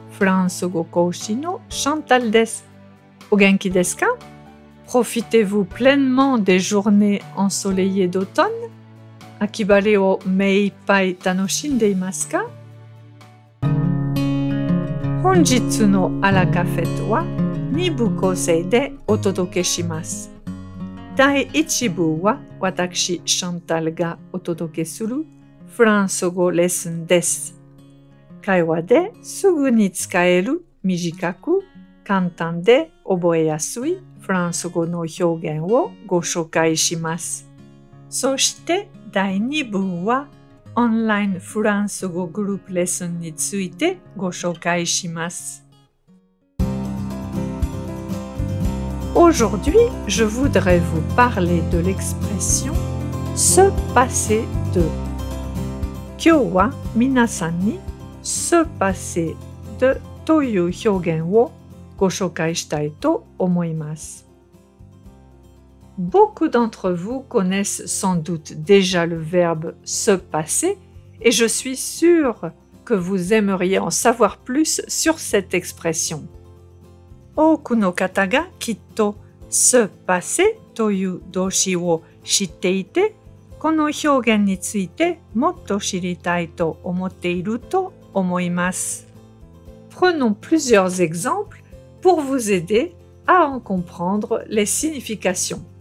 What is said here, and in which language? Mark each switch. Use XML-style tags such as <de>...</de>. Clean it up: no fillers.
<ja>フランス語講師のシャンタルです。お元気ですか?</ja> <fr>Profitez-vous pleinement des journées ensoleillées d'automne?</fr> <ja>秋晴れを目いっぱい楽しんでいますか? 本日のアラカフェとは2部構成でお届けします。第1部は私、シャンタルがお届けするフランス語レッスンです。会話ですぐに使える短く簡単で覚えやすいフランス語の表現をご紹介します。そして第2部はオンラインフランス語グループレッスンについてご紹介します。</ja> <fr>Aujourd'hui, je voudrais vous parler de l'expression se passer de.</fr> <ja>今日は皆さんにse passer de という表現をご紹介したいと思います。</ja> <fr>Beaucoup d'entre vous connaissent sans doute déjà le verbe se passer et je suis sûre que vous aimeriez en savoir plus sur cette expression.</fr> <ja>多くの方がきっと se passer という動詞を知っていて、この表現についてもっと知りたいと思っていると</ja> <fr>Prenons plusieurs exemples pour vous aider à en comprendre les significations.</fr>